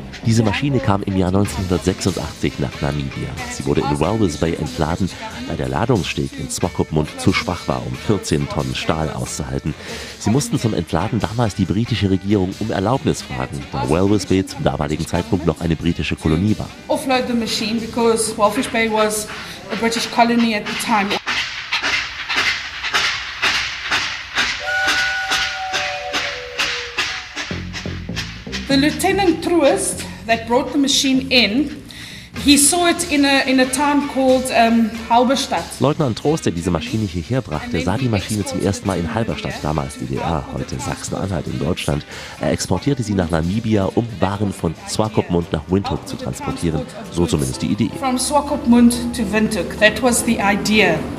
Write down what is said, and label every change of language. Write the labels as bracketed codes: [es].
[de] Diese Maschine kam im Jahr 1986 nach Namibia. Sie wurde in Walvis Bay entladen, da der Ladungssteg in Swakopmund zu schwach war, um 14 Tonnen Stahl auszuhalten. Sie mussten zum Entladen damals die britische Regierung um Erlaubnis fragen, da Walvis Bay zum damaligen Zeitpunkt noch eine britische Kolonie war. [en] Offload the machine because Walvis Bay was a British colony at the time. The lieutenant truest that brought the machine in, he saw it in a town called Halberstadt. [de] Leutnant Trost, der diese Maschine hierher brachte, sah die Maschine zum ersten Mal in Halberstadt, damals DDR, heute Sachsen-Anhalt in Deutschland. Er exportierte sie nach Namibia, um Waren von Swakopmund nach Windhoek zu transportieren. So zumindest die Idee. [en] From Swakopmund to Windhoek, that was the idea.